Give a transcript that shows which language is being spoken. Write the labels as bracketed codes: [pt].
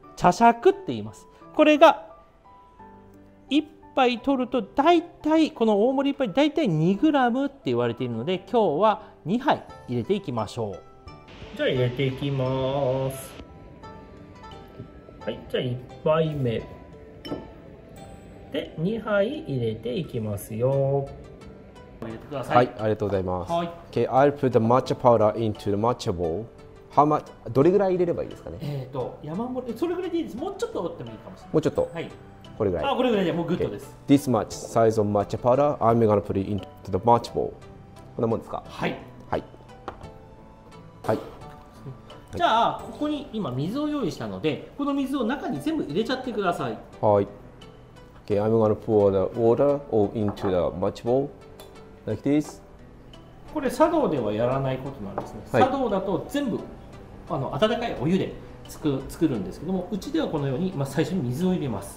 [ja] 茶杓って言います。これが1杯取るとだいたい、この大盛り1杯だいたい 2g って言われているので、今日は2杯入れていきましょう。じゃあ入れていきます。はい、じゃあ1杯目で2杯入れていきますよ。はい、ありがとうございます。 [en] はい、okay, I'll put the matcha powder into the matcha bowl. How much? [ja] どれぐらい入れればいいですかね。山盛り、それぐらいでいいです。もうちょっと折ってもいいかもしれない。もうちょっと、はい、これぐらい。あ、これぐらいでもうグッドです。 [en] Okay. This much size of matcha powder, I'm gonna put it into the matcha bowl. [ja] こんなもんですか。はい。はい。はい。じゃあここに今水を用意したので、この水を中に全部入れちゃってください。 [en] はい。Okay, I'm gonna pour the water all into the matcha bowl. Like、this. [ja] これ茶道ではやらないことなんですね。はい、茶道だと全部あの温かいお湯で作るんですけども、うちではこのように、まあ、最初に水を入れます。